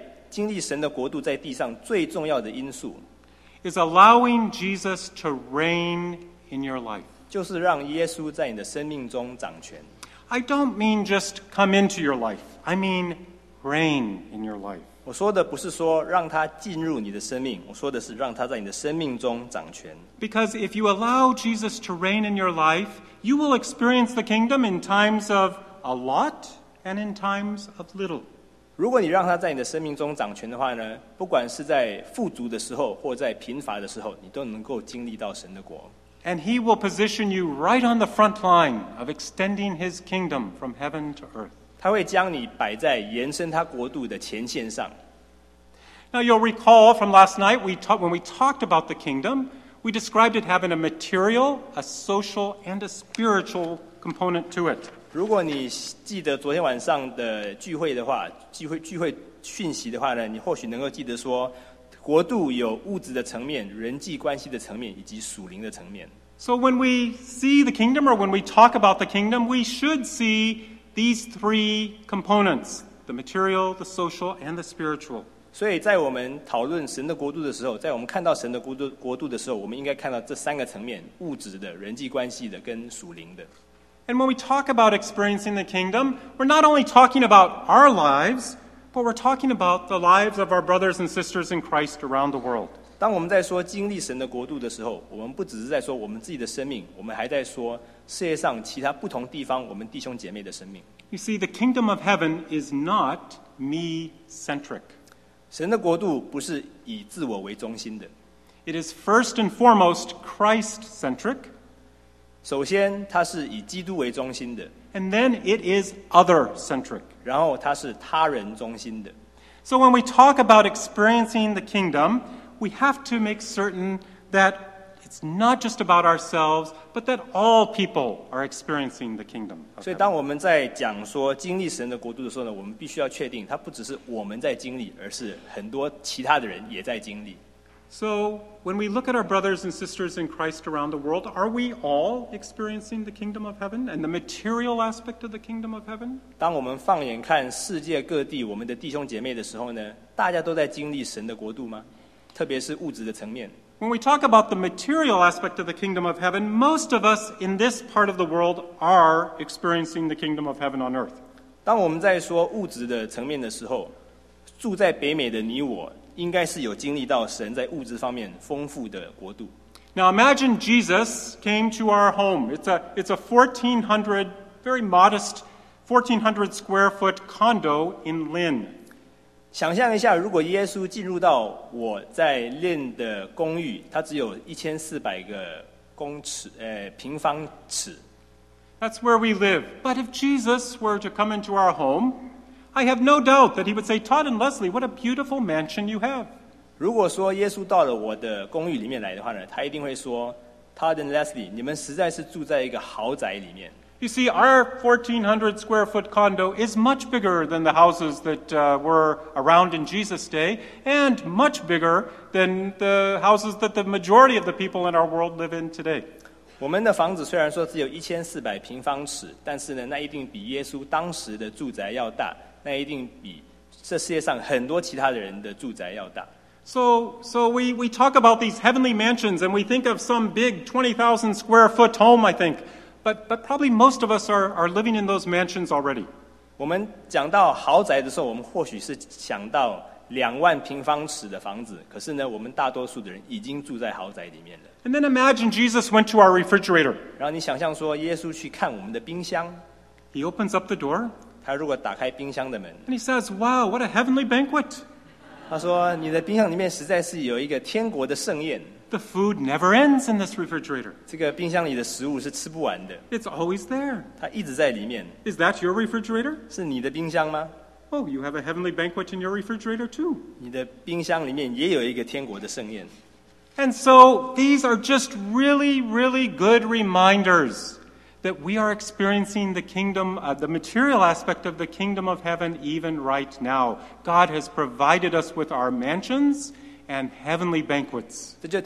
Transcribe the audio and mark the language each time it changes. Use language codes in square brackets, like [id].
[zh] 经历神的国度在地上最重要的因素 [en] is allowing Jesus to reign in your life. [zh] 就是让耶稣在你的生命中掌权。 [en] I don't mean just come into your life. I mean reign in your life. [zh] 我说的不是说让他进入你的生命，我说的是让他在你的生命中掌权。 [en] Because if you allow Jesus to reign in your life, you will experience the kingdom in times of a lot and in times of little. [zh] 如果你让他在你的生命中掌权的话呢，不管是在富足的时候或在贫乏的时候，你都能够经历到神的国。 [en] And he will position you right on the front line of extending his kingdom from heaven to earth. [zh] 他会将你摆在延伸他国度的前线上。 [en] Now you'll recall from last night, when we talked about the kingdom, we described it having a material, a social, and a spiritual component to it. [zh] 如果你记得昨天晚上的聚会的话，聚会讯息的话呢，你或许能够记得说，国度有物质的层面、人际关系的层面以及属灵的层面。 [en] So when we see the kingdom or when we talk about the kingdom, we should see these three components, the material, the social, and the spiritual. [zh] 所以在我们讨论神的国度的时候，在我们看到神的国度的时候，我们应该看到这三个层面，物质的、人际关系的跟属灵的。 [en] And when we talk about experiencing the kingdom, we're not only talking about our lives, but we're talking about the lives of our brothers and sisters in Christ around the world. [zh] 当我们在说经历神的国度的时候，我们不只是在说我们自己的生命，我们还在说世界上其他不同地方我们弟兄姐妹的生命。 [en] You see, the kingdom of heaven is not me-centric. [zh] 神的国度不是以自我为中心的。 [en] It is first and foremost Christ-centric. [zh] 首先它是以基督为中心的。 [en] And then it is other-centric. [zh] 然后它是他人中心的。 [en] So when we talk about experiencing the kingdom, we have to make certain that it's not just about ourselves, but that all people are experiencing the kingdom. [zh] 所以当我们在讲说经历神的国度的时候呢，我们必须要确定它不只是我们在经历，而是很多其他的人也在经历。 [en] So when we look at our brothers and sisters in Christ around the world, are we all experiencing the kingdom of heaven and the material aspect of the kingdom of heaven? [zh] 当我们放眼看世界各地, 我们的弟兄姐妹的时候呢, 大家都在经历神的国度吗? 特别是物质的层面。 [en] When we talk about the material aspect of the kingdom of heaven, most of us in this part of the world are experiencing the kingdom of heaven on earth. [zh] 当我们在说物质的层面的时候, 住在北美的你我, 应该是有经历到神在物质方面丰富的国度。 [en] Now imagine Jesus came to our home. It's a 1400, very modest, 1400 square foot condo in Lynn. [zh] 想象一下, 如果耶稣进入到我在Lynn的公寓, 它只有1400个公尺, 平方尺。 [en] That's where we live. But if Jesus were to come into our home, I have no doubt that he would say, Todd and Leslie, what a beautiful mansion you have. [zh] 如果说耶稣到了我的公寓里面来的话呢, 他一定会说, Todd and Leslie, 你们实在是住在一个豪宅里面。 [en] You see, our 1,400 square foot condo is much bigger than the houses that were around in Jesus' day, and much bigger than the houses that the majority of the people in our world live in today. [zh] 我们的房子虽然说只有1400平方尺, 但是呢, 那一定比耶稣当时的住宅要大, 那一定比这世界上很多其他的人的住宅要大。 [en] So we talk about these heavenly mansions, and we think of some big 20,000 square foot home, I think. But probably most of us are living in those mansions already. [zh] 我们讲到豪宅的时候，我们或许是想到2万平方尺的房子。可是呢，我们大多数的人已经住在豪宅里面了。 [en] And then imagine Jesus went to our refrigerator. [zh] 然后你想象说，耶稣去看我们的冰箱。 [en] He opens up the door. [zh] 他如果打开冰箱的门。 [en] And he says, "Wow, what a heavenly banquet!" [zh] 他说，你的冰箱里面实在是有一个天国的盛宴。 [en] The food never ends in this refrigerator. [zh] 这个冰箱里的食物是吃不完的。 [en] It's always there. [zh] 它一直在里面。 [en] Is that your refrigerator? [zh] 是你的冰箱吗? [en] Oh, you have a heavenly banquet in your refrigerator too. [zh] 你的冰箱里面也有一个天国的盛宴。 [en] And so these are just really, really good reminders that we are experiencing the kingdom, the material aspect of the kingdom of heaven even right now. God has provided us with our mansions and heavenly banquets.